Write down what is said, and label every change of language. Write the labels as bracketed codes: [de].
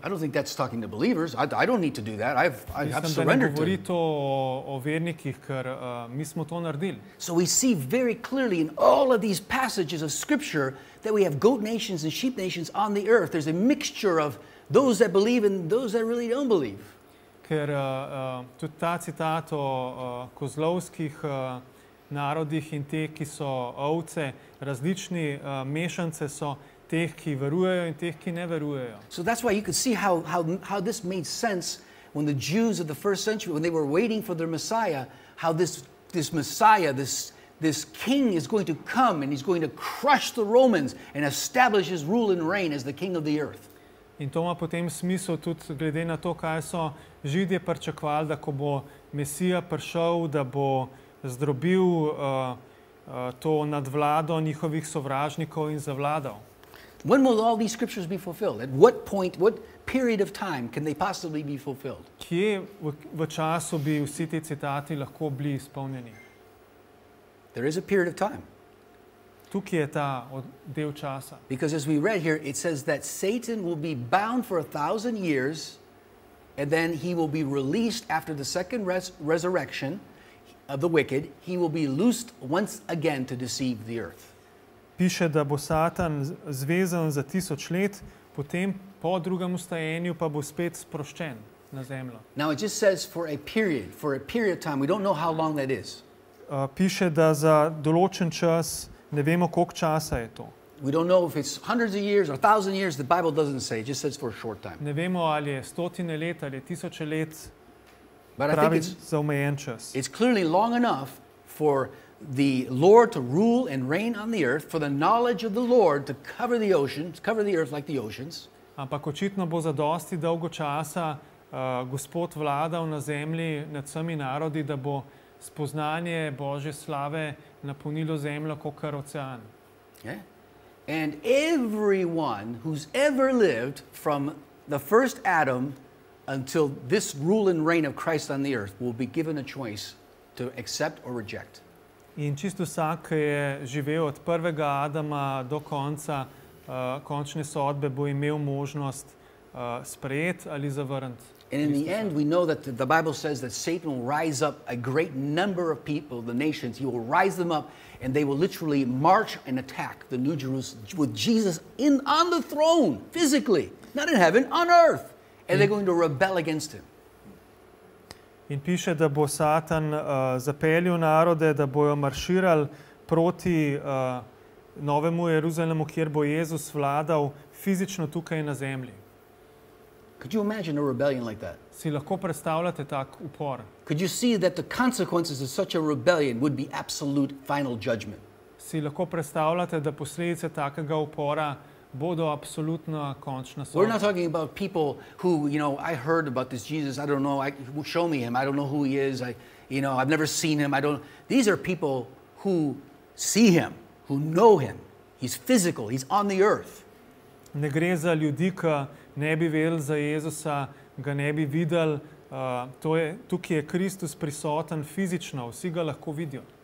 [en] I don't think that's talking to believers. I don't need to do that. I've surrendered to him. [sl] Mislim, da ne govori to o vernikih, ker mi smo to naredili. [en] So we see very clearly in all of these passages of scripture that we have goat nations and sheep nations on the earth. There's a mixture of those that believe and those that really don't believe. [sl] Ker tudi ta citat o kozlovskih narodih in te, ki so ovce, različni mešance so teh, ki verujejo in teh, ki ne verujejo. [en] So that's why you could see how this made sense when the Jews of the first century, when they were waiting for their Messiah, how this Messiah, this king is going to come and he's going to crush the Romans and establish his rule and reign as the king of the earth. [sl] In to ima potem smisel tudi glede na to, kaj so Židje pričakovali, da ko bo Mesija prišel, da bo zdrobil to nadvlado njihovih sovražnikov in zavladal. [en] When will all these scriptures be fulfilled? At what point, what period of time can they possibly be fulfilled? [sl] Kje v času bi vsi ti citati lahko bili izpolnjeni? [en] There is a period of time. [sl] Tukaj je ta del časa. [en] Because as we read here, it says that Satan will be bound for 1,000 years and then he will be released after the second resurrection of the wicked. He will be loosed once again to deceive the earth. [sl] Piše, da bo Satan zvezan za 1,000 let, potem po drugem vstajenju pa bo spet sproščen na zemljo. [en] Now it just says for a period of time. We don't know how long that is. [sl] Piše, da za določen čas. Ne vemo, koliko časa je to. [en] We don't know if it's hundreds of years or thousand years, the Bible doesn't say, it just says for a short time. [sl] Ne vemo, ali je stotine let, ali je tisoče let, pravi za omejen čas. [en] It's clearly long enough for the Lord to rule and reign on the earth, for the knowledge of the Lord to cover the oceans, cover the earth like the oceans. [sl] Ampak očitno bo za dosti dolgo časa Gospod vladal na zemlji nad vsemi narodi, da bo spoznanje Božje slave napolnilo zemljo kot ocean. [en] Yeah. And everyone who's ever lived from the first Adam until this rule and reign of Christ on the earth will be given a choice to accept or reject. [sl] In čisto vsak, ki je živel od prvega Adama do konca končne sodbe, bo imel možnost sprejeti ali zavrniti. [en] And in the end, we know that the Bible says that Satan will rise up a great number of people, the nations. He will rise them up, and they will literally march and attack the New Jerusalem with Jesus in on the throne, physically, not in heaven, on earth. And they're going to rebel against him. [sl] In piše, da bo Satan zapeljil narode, da bojo marširali proti novemu Jeruzalemu, kjer bo Jezus vladal fizično tukaj na zemlji. [en] Could you imagine a rebellion like that? [sl] Si lahko predstavljate tak upor? [en] Could you see that the consequences of such a rebellion would be absolute final judgment? [sl] Si lahko predstavljate, da posledice takega upora bodo absolutno končna sodba? [en] We're not talking about people who, you know, I heard about this Jesus, I don't know, show me him, I don't know who he is, I've never seen him, these are people who see him, who know him, he's physical, he's on the earth. [sl] Ne gre za ljudi, ki ne bi vedel za Jezusa, ga ne bi videl, tukaj je Kristus prisoten fizično, vsi ga lahko vidijo.